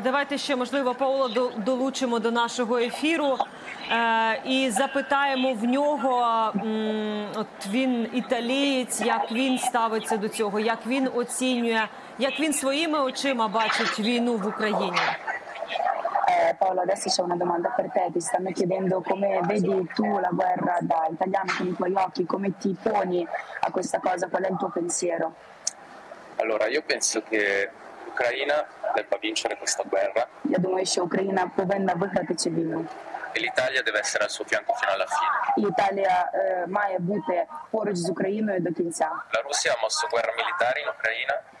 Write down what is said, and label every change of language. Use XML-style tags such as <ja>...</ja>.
<uk>Давайте ще, можливо, Павло долучимо до нашого ефіру і запитаємо в нього, от він італієць, як він ставиться до цього, як він оцінює, як він своїми очима бачить війну в Україні.</uk> <it>Paola, adesso c'è una domanda per te, ti stanno chiedendo come vedi tu la guerra da italiano con i tuoi occhi, come ti poni a questa cosa, qual è il tuo pensiero? Allora, io penso che l'Ucraina debba vincere questa guerra.</it> <uk>Я думаю, що Україна повинна виграти цю війну.</uk> <it>E l'Italia deve essere al suo fianco fino alla fine.</it> <uk>L'Italia має бути поруч з Україною до кінця.</uk> <it>La Russia ha mosso guerra militare in Ucraina.</it>